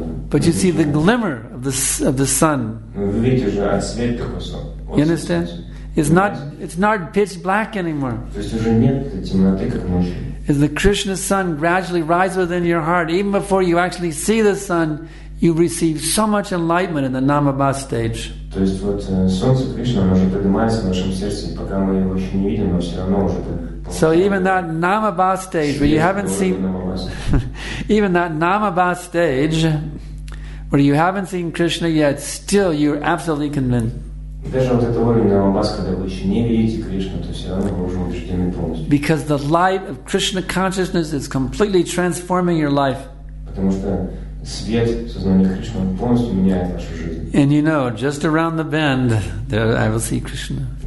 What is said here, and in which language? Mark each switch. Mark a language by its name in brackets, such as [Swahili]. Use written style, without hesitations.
[English] But you see the glimmer of the sun. You understand? It's not pitch black anymore. As the Krishna sun gradually rises within your heart, even before you actually see the sun, you receive so much enlightenment in the Namabha stage. [Russian] То есть вот солнце Кришна, оно уже поднимается в нашем сердце, пока мы его еще не видим, но все равно уже это. [English] So even that Namabha stage, where you haven't seen, even that Namabha stage, where you haven't seen Krishna yet, still you're absolutely convinced. [Russian] Даже вот это уровень Намабас, когда вы еще не видите Кришну, то все равно вы уже убеждены полностью. [English] Because the light of Krishna consciousness is completely transforming your life. [Russian] Потому что свет сознания Кришны полностью меняет вашу жизнь. [English] And you know, just around the bend, there I will see Krishna.